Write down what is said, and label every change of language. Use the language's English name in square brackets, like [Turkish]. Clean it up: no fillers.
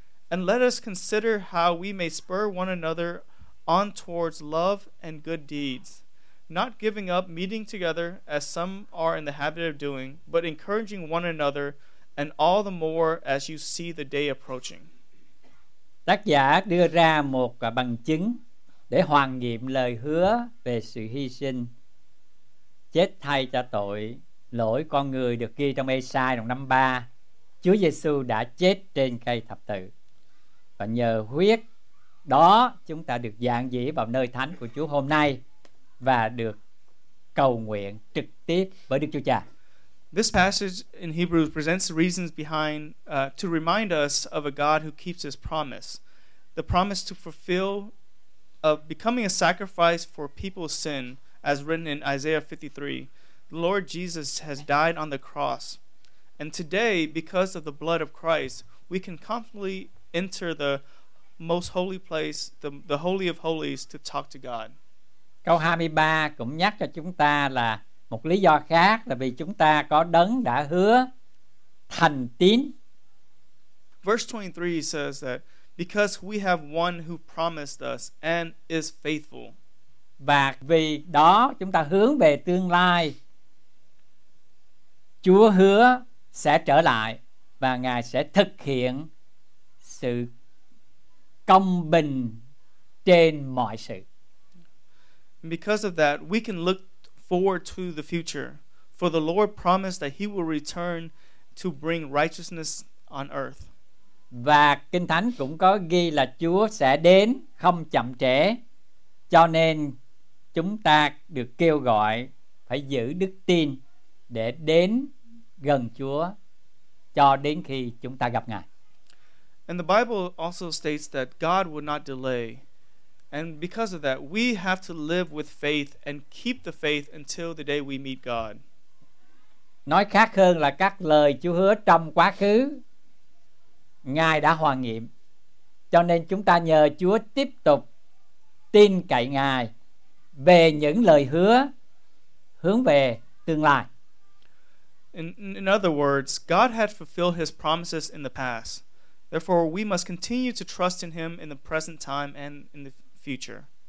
[English] And let us consider how we may spur one another on towards love and good deeds, not giving up meeting together as some are in the habit of doing, but encouraging one another, and all the more as you see the day approaching. [Vietnamese] Tác giả đưa ra một bằng chứng để hoàn nghiệm lời hứa về sự hy sinh chết thay cho tội lỗi con người được ghi trong Ê-sai đoạn 53. Chúa Giêsu đã chết trên cây thập tự, và nhờ huyết đó chúng ta được dạng dĩ vào nơi thánh của Chúa hôm nay và được cầu nguyện trực tiếp với Đức Chúa Cha. [English] This passage in Hebrews presents the reasons behind to remind us of a God who keeps his promise. The promise to fulfill of becoming a sacrifice for people's sin, as written in Isaiah 53. The Lord Jesus has died on the cross. And today, because of the blood of Christ, we can confidently enter the most holy place, the holy of holies, to talk to God. [Vietnamese] Câu 23 cũng nhắc cho chúng ta là một lý do khác, là vì chúng ta có đấng đã hứa thành tín. [English] Verse 23 says that because we have one who promised us and is faithful. [Vietnamese] Và vì đó chúng ta hướng về tương lai. Chúa hứa sẽ trở lại và Ngài sẽ thực hiện sự công bình trên mọi sự. [English] Because of that, we can look forward to the future, for the Lord promised that he will return to bring righteousness on earth. [Vietnamese] Và Kinh Thánh cũng có ghi là Chúa sẽ đến không chậm trễ, cho nên chúng ta được kêu gọi phải giữ đức tin để đến gần Chúa cho đến khi chúng ta gặp Ngài. [English] And the Bible also states that God would not delay, And because of that, we have to live with faith and keep the faith until the day we meet God. [Vietnamese] Nói khác hơn là các lời Chúa hứa trong quá khứ Ngài đã hoàn nghiệm. Cho nên chúng ta nhờ Chúa tiếp tục tin cậy Ngài về những lời hứa hướng về tương lai. [English] In other words, God had fulfilled his promises in the past. Therefore, we must continue to trust in him in the present time and in the future.